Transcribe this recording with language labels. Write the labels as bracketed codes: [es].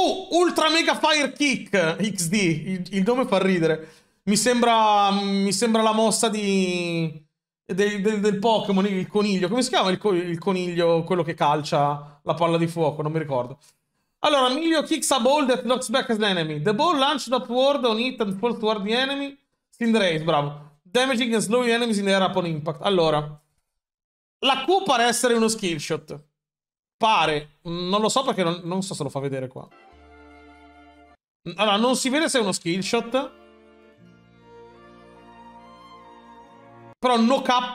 [it] Ultra Mega Fire Kick XD, il nome fa ridere. Mi sembra la mossa del Pokémon, il coniglio. Come si chiama il coniglio, quello che calcia la palla di fuoco? Non mi ricordo. Allora, [en] Emilio kicks a ball that knocks back l'enemy. The ball launched upward on it and falls toward the enemy. Cinderace, [it] bravo. [en] Damaging and slowing enemies in the air upon impact. [it] Allora, la Q pare essere uno skill shot. Pare, non lo so perché non so se lo fa vedere qua. Allora, non si vede se è uno skill shot. Però no K.